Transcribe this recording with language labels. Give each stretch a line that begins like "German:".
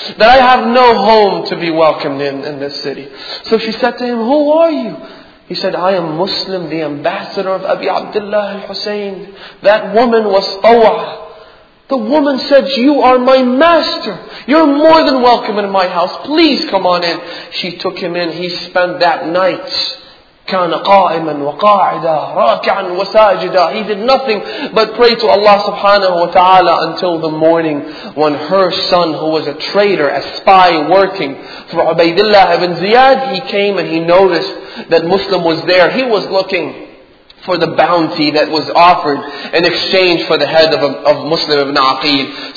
English: That I have no home to be welcomed in this city." So she said to him, "Who are you?" He said, "I am Muslim, the ambassador of Abi Abdullah al-Hussein." That woman was Tawah. The woman said, "You are my master. You're more than welcome in my house. Please come on in." She took him in. He spent that night.
Arabic: كان قائما وقاعدا راكعا وساجدا.
English: He did nothing but pray to Allah subhanahu wa ta'ala until the morning when her son, who was a traitor, a spy working for Ubaydillah ibn Ziyad, he came and he noticed that Muslim was there. He was looking for the bounty that was offered in exchange for the head of Muslim ibn Aqil.